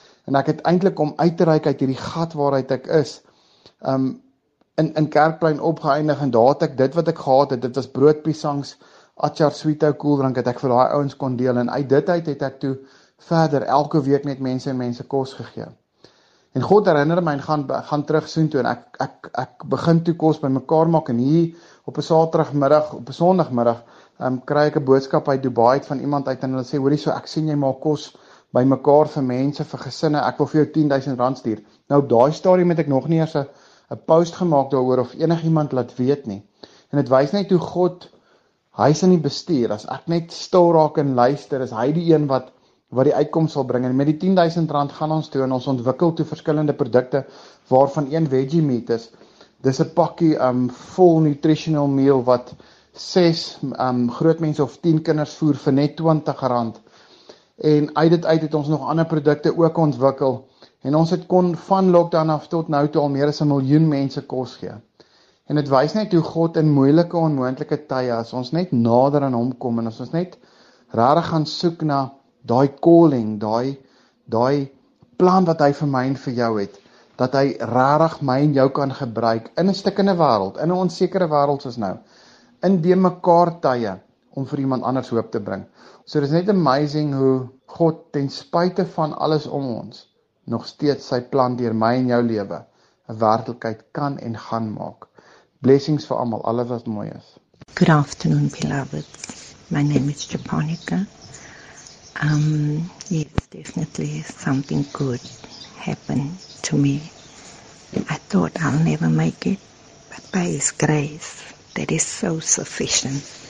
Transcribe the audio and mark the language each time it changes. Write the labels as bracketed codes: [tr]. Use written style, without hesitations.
[af] En ek het eintlik om uit te reik uit hierdie gat waaruit ek is, in Kerkplein opgeëindig en daar het ek dit wat ek gehad het, dit was broodpiesangs, atjar sweethou koeldrank, het ek vir daai ouens kon deel en uit dit uit het ek toe verder elke week net mense en mense kos gegee. En God herinner my en gaan terug soontoe en ek begin toe kos by mekaar maak en hier op 'n Saterdagmiddag, op 'n Sondagmiddag, kry ek 'n boodskap uit Dubai van iemand uit en hulle sê hoorie so ek sien jy maak kos by mekaar vir mense, vir gesinne, ek wil vir jou R10,000 stuur. Nou op daai stadium het ek nog nie eers 'n post gemaak daaroor of enigiemand laat weet nie. En dit wys net hoe God, hy is in die bestuur. As ek net stil raak en luister, is hy die een wat die uitkoms sal bring. En met die R10,000 gaan ons toe en ons ontwikkel toe verskillende produkte waarvan een veggie meat is. Dis 'n pakkie vol nutritional meal wat 6 groot mense of 10 kinders voer vir net R20. En uit dit uit het ons nog ander produkte ook ontwikkel en ons het kon van lockdown af tot nou toe al meer as 1 miljoen mense kos gee. En dit wys net hoe God in moeilike en onmoontlike tye as ons net nader aan hom kom en as ons net regtig gaan soek na daai calling, daai plan wat hy vir my en vir jou het, dat hy regtig my en jou kan gebruik in 'n stikkende wêreld, in 'n onsekere wêreld soos nou, in die mekaar tye om vir iemand anders hoop te bring. So dis net amazing hoe God ten spyte van alles om ons nog steeds sy plan deur my en jou lewe 'n werklikheid kan en gaan maak. Blessings vir almal, alles wat mooi is. [en] Good afternoon, beloved. My name is Japonica. Yes, definitely something good happened to me. I thought I'll never make it, but by His grace, that is so sufficient.